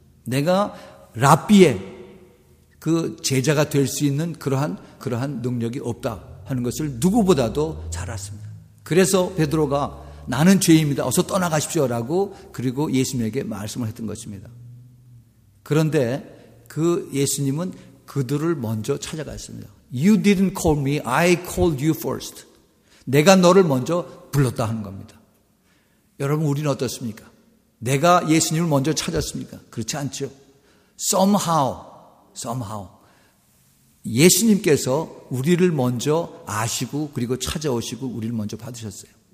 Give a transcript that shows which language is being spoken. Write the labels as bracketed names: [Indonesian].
[Korean] 내가 랍비의 그 제자가 될 수 있는 그러한 능력이 없다 하는 것을 누구보다도 잘 알았습니다. 그래서 베드로가 나는 죄입니다. 어서 떠나가십시오 라고 그리고 예수님에게 말씀을 했던 것입니다. 그런데 그 예수님은 그들을 먼저 찾아갔습니다. [English] You didn't call me, I called you first. [Korean] 내가 너를 먼저 불렀다 하는 겁니다. 여러분 우리는 어떻습니까? 내가 예수님을 먼저 찾았습니까? 그렇지 않죠. [English] Somehow [Korean] 예수님께서 우리를 먼저 아시고 그리고 찾아오시고 우리를 먼저 받으셨어요.